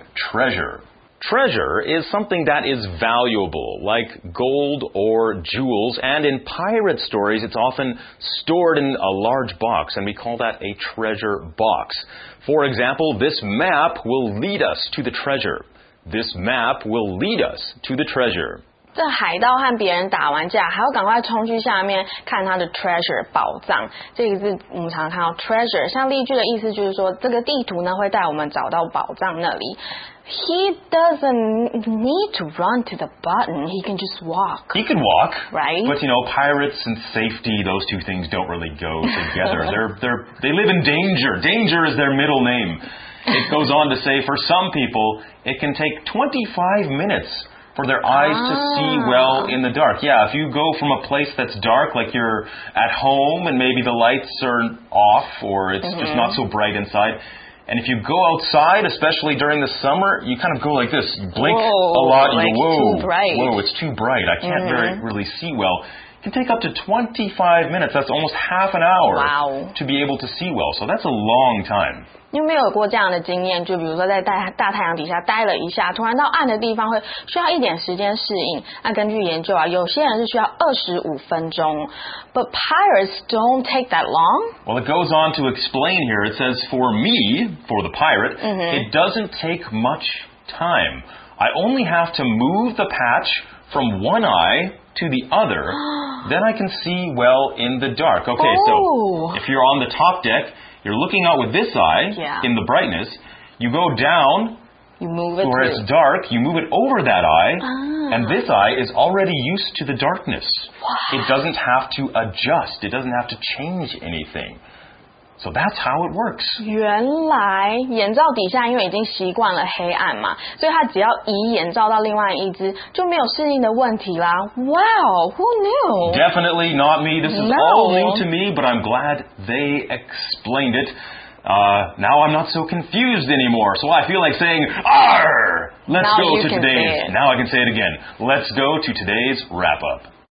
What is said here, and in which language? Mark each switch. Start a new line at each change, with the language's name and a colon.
English: Treasure. Treasure is something that is valuable, like gold or jewels, and in pirate stories, it's often stored in a large box, and we call that a treasure box. For example, this map will lead us to the treasure. This map will lead us to the treasure.
Chinese: 这海盗和别人打完架，还要赶快冲去下面看他的 treasure 宝藏。这个字我们常看到 treasure， 像例句的意思就是说，这个地图呢会带我们找到宝藏那里。
English: He doesn't need to run to the button. He can just walk. He can walk, right? But you know, pirates and safety; those two things don't really go together. they live in danger. Danger is their middle name. It goes on to say, for some people, it can take 25 minutes. For their eyes to see well in the dark. Yeah, if you go from a place that's dark, like you're at home and maybe the lights are off or it's just not so bright inside. And if you go outside, especially during the summer, you kind of go like this. You blink a lot. It's too bright. I can't really see well. It can take up to 25 minutes. That's almost half an hour to be able to see well. So that's a long time.
Chinese: 你有没有过这样的经验？就比如说在大太阳底下待了一下，突然到暗的地方会需要一点时间适应。那根据研究啊，有些人是需要25分钟。
English: But pirates don't take that long. Well, it goes on to explain here. It says, for me, for the pirate, it doesn't take much time. I only have to move the patch from one eye to the other. Then I can see well in the dark. Okay, so if you're on the top deck,You're looking out with this eye in the brightness. You go down where it's dark. You move it over that eye. And this eye is already used to the darkness. What? It doesn't have to adjust. It doesn't have to change anything. So that's how it works.
Chinese: 原来眼罩底下因为已经习惯了黑暗嘛，所以它只要移眼罩到另外一只就没有适应的问题啦。
English: Wow, who knew? Definitely not me. This is all new to me, but I'm glad they explained it. Now I'm not so confused anymore, so I feel like saying, arr! Now I can say it again. Let's go to today's wrap-up.